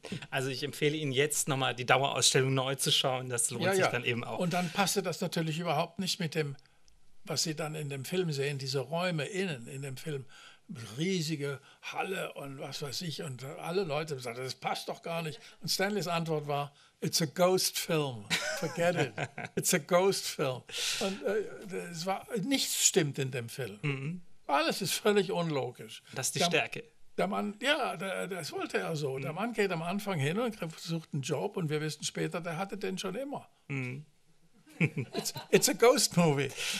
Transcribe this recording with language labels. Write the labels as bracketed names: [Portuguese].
[German] Also ich empfehle Ihnen jetzt nochmal die Dauerausstellung neu zu schauen, das lohnt sich dann eben auch. Und dann passte das natürlich überhaupt nicht mit dem, was Sie dann in dem Film sehen, diese Räume innen in dem Film, riesige Halle und was weiß ich, und alle Leute sagten, das passt doch gar nicht. Und Stanleys Antwort war, [English] it's a ghost film, forget it, it's a ghost film. [German] Und nichts stimmt in dem Film, mm-hmm. Alles ist völlig unlogisch. Das ist die Stärke. Der Mann, das wollte er so. Mhm. Der Mann geht am Anfang hin und sucht einen Job und wir wissen später, der hatte den schon immer. [English] Mhm. It's a ghost movie.